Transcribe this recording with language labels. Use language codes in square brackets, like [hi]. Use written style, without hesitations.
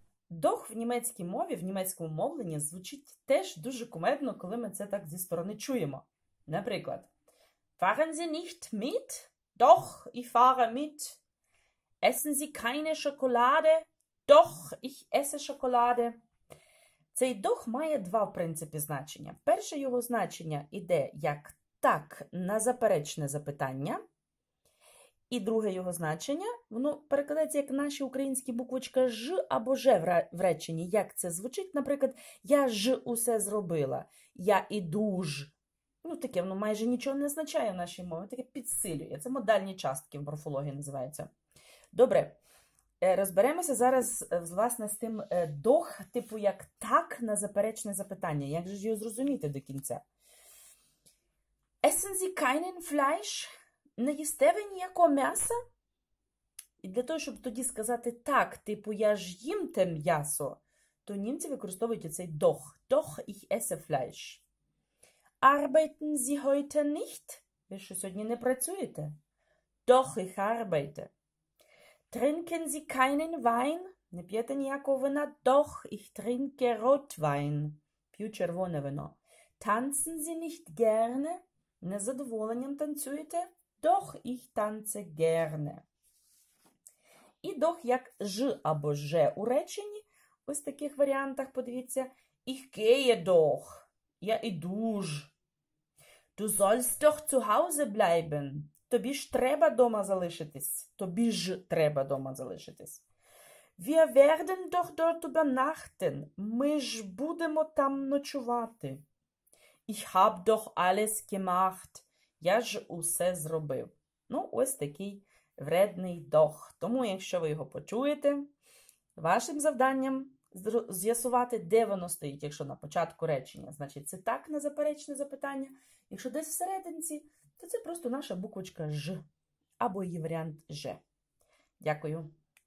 [uk] Дох в німецькій мові, в німецькому мовленні звучить теж дуже кумедно, коли ми це так зі сторони чуємо. Наприклад, [de] Fahren Sie nicht mit? Doch, ich fahre mit. Essen Sie keine Schokolade? Doch, ich esse Schokolade. [uk] Цей дох має два, в принципі, значення. Перше його значення іде як так, на заперечне запитання. І друге його значення, воно перекладається як наші українські буквочка ж або ж в реченні. Як це звучить? Наприклад, я ж усе зробила, я іду ж. Ну, таке воно майже нічого не означає в нашій мові, таке підсилює. Це модальні частки в морфології називаються. Добре, розберемося зараз, власне, з тим дох, типу як так на заперечне запитання. Як же ж його зрозуміти до кінця? [de] Essen Sie keinen Fleisch? [uk] Не їсте ви ніякого м'яса? І для того, щоб тоді сказати так, типу, я ж їм те м'ясо, то німці використовують оцей doch. [de] Doch, ich esse Fleisch. Arbeiten Sie heute nicht? [uk] Ви що, сьогодні не працюєте? [de] Doch, ich arbeite. Trinken Sie keinen Wein? [uk] Не п'єте ніякого вина? [de] Doch, ich trinke Rotwein. [uk] П'ю червоне вино. [de] Tanzen Sie nicht gerne? [uk] Не з задоволенням танцюєте? [de] Doch, ich tanze gerne. [uk] І doch як ж або же у реченні. Ось в таких варіантах подивіться. [de] Ich gehe doch. [uk] Я іду ж. [de] Du sollst doch zu Hause bleiben. [uk] Тобі ж треба дома залишитись. Тобі ж треба дома залишитись. [de] Wir werden doch dort übernachten. [uk] Ми ж будемо там ночувати. [de] Ich hab doch alles gemacht. [uk] Я ж усе зробив. Ну, ось такий вредний дох. Тому, якщо ви його почуєте, вашим завданням з'ясувати, де воно стоїть, якщо на початку речення, значить, це так на заперечне запитання. Якщо десь всерединці, то це просто наша буквочка ж або її варіант ж. Дякую.